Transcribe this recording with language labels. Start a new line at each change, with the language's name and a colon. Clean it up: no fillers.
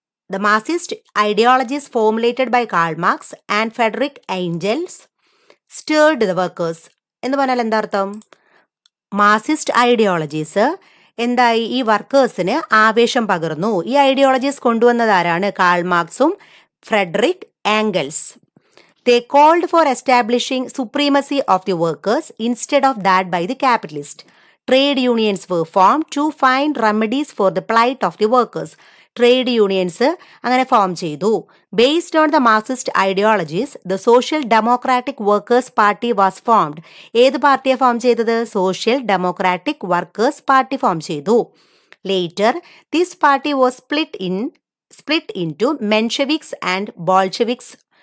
English: The Marxist ideologies formulated by Karl Marx and Friedrich Engels stirred the workers.
Malayalam: എന്ന് പറഞ്ഞാൽ എന്താർത്ഥം? Marxist ideologies എന്തായി ഈ വർക്കേഴ്സിന് ആവേശം പകർന്നു. ഈ ideologies കൊണ്ടുവന്നതാരാണ്? Call മാർക്സും Frederick ആംഗൽസ്.
English: They called for establishing supremacy of the workers instead of that by the capitalist. Trade unions were formed to find remedies for the plight of the workers.
Malayalam: Trade unions അങ്ങനെ form ചെയ്തു.
English: Based on the Marxist ideologies the social democratic workers party was formed.
Malayalam: ഏത് പാർട്ടിയെ form ചെയ്തത്? Social democratic workers party form ചെയ്തു.
English: Later this party was split into Mensheviks and Bolsheviks.